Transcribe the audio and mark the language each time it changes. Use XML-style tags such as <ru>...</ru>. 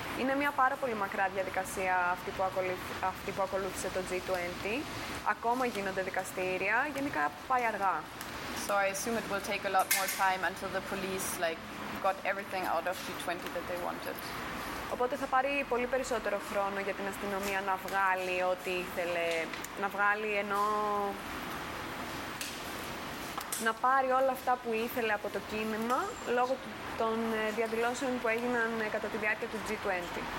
<el>Είναι μια πάρα πολύ μακρά διαδικασία αυτή που ακολούθησε το G20. Ακόμα γίνονται δικαστήρια, γενικά πάει αργά.</el> <en>So I assume it will take a lot more time until the police like got everything out of G20 that they wanted.</en> <el>Οπότε θα πάρει πολύ περισσότερο χρόνο για την αστυνομία να βγάλει ό,τι ήθελε, να βγάλει ενώ να πάρει όλα αυτά που ήθελε από το κίνημα λόγω των διαδηλώσεων που έγιναν κατά τη διάρκεια του G20.</el>